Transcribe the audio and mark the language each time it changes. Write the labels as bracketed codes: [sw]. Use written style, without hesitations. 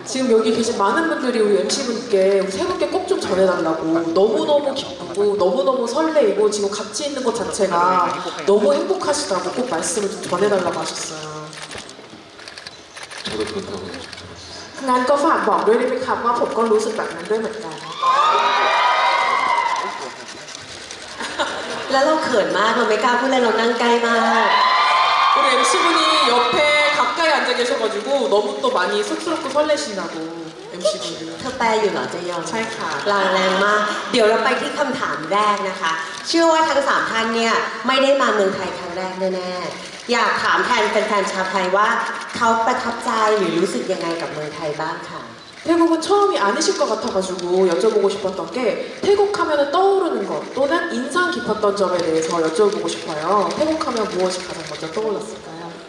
[ko] 지금여기계신많은분들이우리MC분께우리세분께꼭좀전해달라고너무너무기쁘고너무너무설레이고지금같이있는것자체가너무행복하시다고꼭말씀을좀전해달라고하셨어요 저도그렇다고생각 합니다 [th] งั้นก็ฝากบอกด้วยนะครับว่าผมก็รู้สึกแบบนั้นด้วยเหมือนกัน แล้วเราเขินมากเราไม่กล้าพูดเลยเรานั่งใกล้มาก [ko] คุณ MC 분이옆에가까이앉아계셔가지고너무또많이쑥스럽고설레시나고 MC 분들 [th] ถ้าแปลอยู่เหรอเจยอง ใช่ค่ะ ลังแรงมากเดี๋ยวเราไปที่คำถามแรกนะคะเชื่อว่าทั้ง3ท่านเนี่ยไม่ได้มาเมืองไทยครั้งแรกแน่ๆอยากถามแทนแฟนๆชาวไทยว่าเขาประทับใจหรือรู้สึกยังไงกับเมืองไทยบ้างค่ะ [ko] 태국은처음이아니실것같아가지고여쭤보고싶었던게태국하면떠오르는것또는인상깊었던점에대해서여쭤보고싶어요태국하면무엇이가장먼저떠올랐을까요